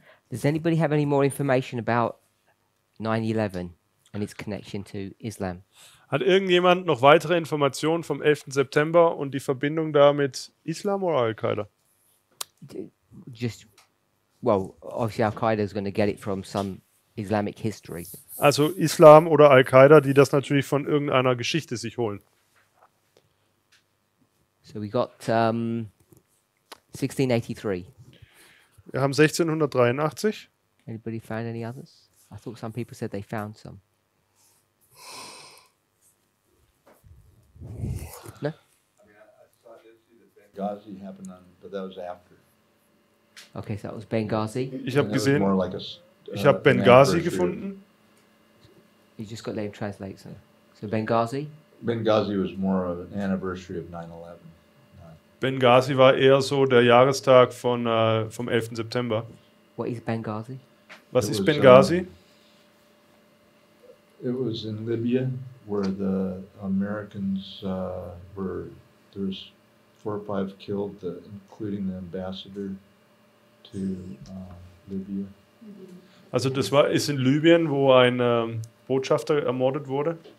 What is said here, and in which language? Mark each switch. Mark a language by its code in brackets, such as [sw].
[en] Does anybody have any more information about 9/11 and its connection to Islam? [de] Hat irgendjemand noch weitere Informationen vom 11. September und die Verbindung da mit Islam oder Al-Qaida? [en] Just, well, obviously Al-Qaida is going to get it from some Islamic history. [de] Also Islam oder Al-Qaida, die das natürlich von irgendeiner Geschichte sich holen. [en] So we got 1683. [de] Wir haben 1683. [en] Anybody found any others? I thought some people said they found some. No? I mean, I saw this, the Benghazi happened on, but that was after. Okay, so that was Benghazi. [de] Ich habe gesehen, [en] like a, [de] ich habe Benghazi gefunden. [en] You just got to let him translate, so. So Benghazi? Benghazi was more of an anniversary of 9/11. [de] Benghazi war eher so der Jahrestag von vom 11. September. [en] What is Benghazi? [de] Was ist Benghazi? [en] It was in Libya, where the Americans were, there was 4 or 5 killed, including the ambassador to Libya. [de] Also das war, ist in Libyen, wo ein Botschafter ermordet wurde.